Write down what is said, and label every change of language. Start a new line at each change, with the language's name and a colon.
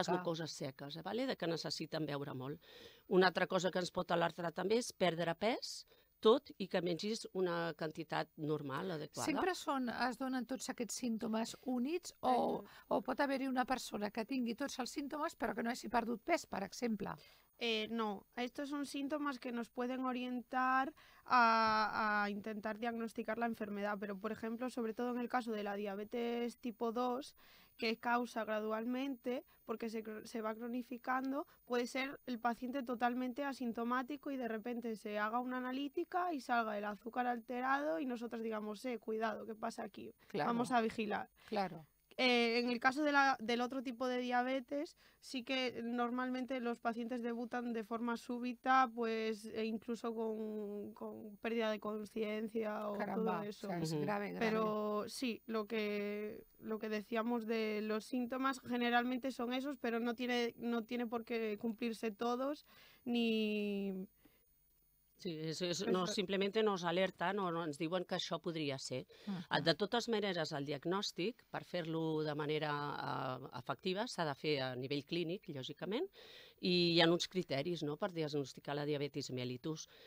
Catalan: les mucoses seques, vale? De que necessiten beure molt. Una altra cosa que ens pot alertar també és perdre pes, tot i que mengis una quantitat normal, adequada. Sempre són, es donen tots aquests símptomes units o pot haver-hi una persona que tingui tots els símptomes però que no hagi perdut pes, per exemple?
Spanish: No, estos son síntomas que nos pueden orientar a intentar diagnosticar la enfermedad, pero por ejemplo, sobre todo en el caso de la diabetes tipo 2, que causa gradualmente, porque se va cronificando, puede ser el paciente totalmente asintomático y de repente se haga una analítica y salga el azúcar alterado y nosotros digamos, cuidado, ¿qué pasa aquí? Claro. Vamos a vigilar. Claro. En el caso del otro tipo de diabetes, sí que normalmente los pacientes debutan de forma súbita, pues incluso con pérdida de conciencia o caramba, todo eso. Es grave, grave. Pero sí, lo que decíamos de los síntomas generalmente son esos, pero no tiene por qué cumplirse todos ni...
Catalan: Sí, no, simplement ens alerten o ens diuen que això podria ser. De totes maneres, el diagnòstic, per fer-lo de manera efectiva, s'ha de fer a nivell clínic, lògicament, i hi ha uns criteris, no?, per diagnosticar la diabetis mellitus.